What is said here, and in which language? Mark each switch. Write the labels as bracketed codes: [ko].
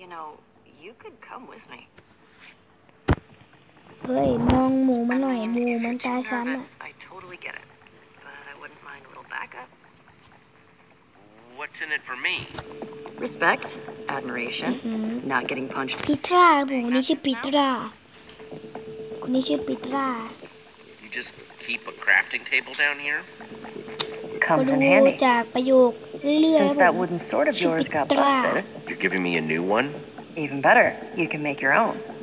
[en] You know, you could come with me. [th] เฮ้ยมองหมูมาหน่อยหมูมันตาช้ำอ่ะ [en] I totally get it. But I wouldn't mind a little backup. What's in it for me? Respect, admiration, not getting punched. [th] ปีตราหมูนี่ชื่อปีตราคนนี้ชื่อปีตรา [en] You just keep a crafting table down here? Comes in handy. [th] จากประโยคเรื่อยๆ [en] Since that wooden sword of yours got busted, you're giving me a new one. Even better, you can make your own.